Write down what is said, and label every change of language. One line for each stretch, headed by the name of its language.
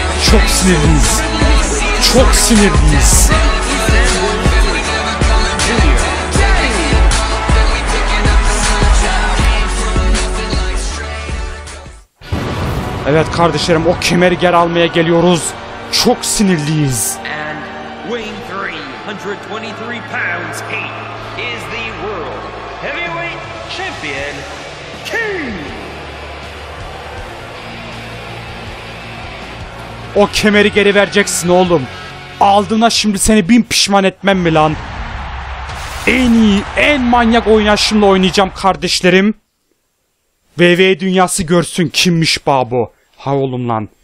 Turkish: Çok sinirliyiz. Çok sinirliyiz. Evet kardeşlerim, o kemeri geri almaya geliyoruz. Çok sinirliyiz.
English: And weighing 323 pounds, Kane is the world heavyweight champion, Kane.
Turkish: O kemeri geri vereceksin oğlum. Aldığına şimdi seni bin pişman etmem mi lan? En iyi, en manyak oynayışımla oynayacağım kardeşlerim. WWE dünyası görsün kimmiş Babo. Ha oğlum lan.